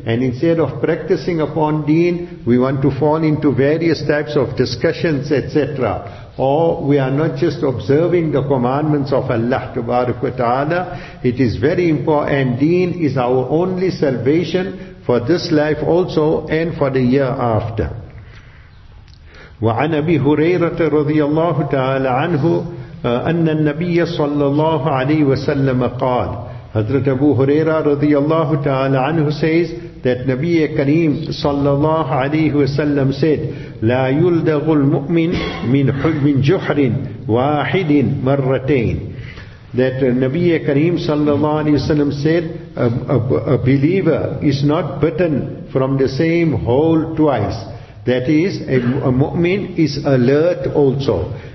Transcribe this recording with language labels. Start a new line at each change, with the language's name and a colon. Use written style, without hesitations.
English: And instead of practicing upon deen, we want to fall into various types of discussions, etc. Or we are not just observing the commandments of Allah tabarak wa ta'ala. It is very important. And deen is our only salvation for this life also and for the year after.
Arabic: وعن أبي هريرة رضي الله تعالى عنه أن النبي صلى الله عليه وسلم قال. Hazrat Abu Huraira رضي الله تعالى عنه
English: says that Nabi Kareem
Arabic: صلى الله عليه وسلم said, لا يلدغ المؤمن من حب جحر واحد مرتين.
English: That Nabi Kareem صلى الله عليه وسلم said, a believer is not bitten from the same hole twice. That is, a mu'min is alert also.